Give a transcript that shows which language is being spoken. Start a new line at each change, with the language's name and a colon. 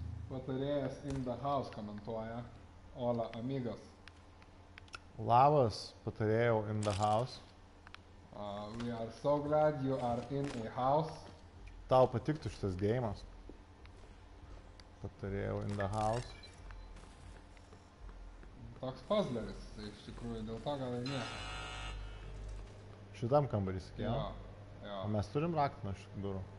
Lithuanian: Patarėjas
English: in the house
Lithuanian: komentuoja.
Spanish: Hola, amigos.
Lithuanian: Labas, patarėjau
English: in the house. We are so glad you are in a house.
Lithuanian: Tau patiktų šitas game'as. Patarėjau
English: in the house.
Lithuanian: Toks puzzleris, iš tikrųjų, dėl to gal ir nieko. Šitam kambarį sakėjo? Jo, jo. O mes turim raktą nuo šitų durų?